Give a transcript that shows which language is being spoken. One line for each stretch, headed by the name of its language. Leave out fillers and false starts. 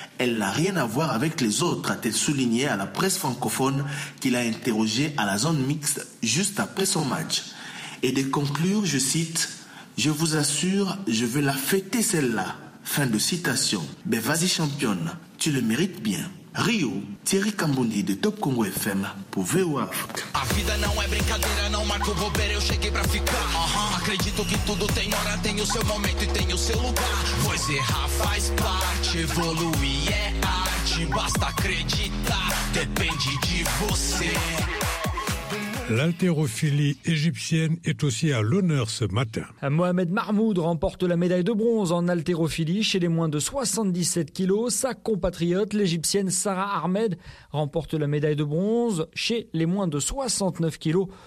French: Elle n'a rien à voir avec les autres, a-t-elle souligné à la presse francophone qu'il a interrogée à la zone mixte juste après son match. Et de conclure, je cite, « Je vous assure, je veux la fêter celle-là. » Fin de citation. Ben vas-y championne, tu le mérites bien. Rio, Thierry Kamboundi de Top Congo FM pour VOA.
Portuguese: A vida não é brincadeira, não marco bobeira, eu cheguei pra ficar. Acredito que tudo tem hora, tem o seu momento e tem o seu lugar. Pois errar faz parte, evoluir é arte, basta acreditar, depende de você.
French: L'haltérophilie égyptienne est aussi à l'honneur ce matin. Mohamed Mahmoud remporte la médaille de bronze en haltérophilie chez les moins de 77 kilos. Sa compatriote, l'égyptienne Sarah Ahmed, remporte la médaille de bronze chez les moins de 69 kilos.